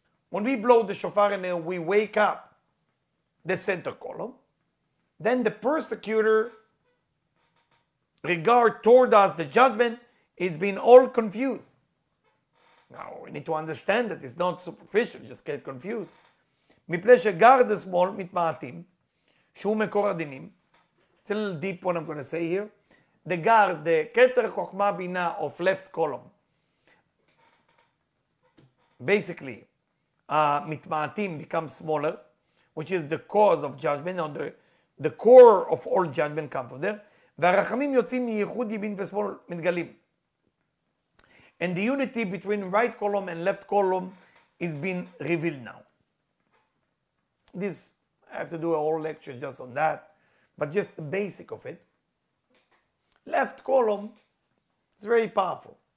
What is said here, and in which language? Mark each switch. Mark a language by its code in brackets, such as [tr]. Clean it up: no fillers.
[en] When we blow the shofar and we wake up the center column, then the persecutor regard toward us, the judgment, it's been all confused. Now, we need to understand that it's not superficial, just get confused. [he] מפני שגר דה שמאל מתמעטים, שהוא מקור הדינים. [en] It's a little deep what I'm going to say here. The גר, the כתר חוכמה בינה of left column. Basically, מתמעטים become smaller, which is the cause of judgment, or the core of all judgment comes from there. [he] והרחמים יוצאים מייחוד ימין ושמאל מתגלים. [en] And the unity between right column and left column is being revealed now. This, I have to do a whole lecture just on that, but just the basic of it. Left column is very powerful.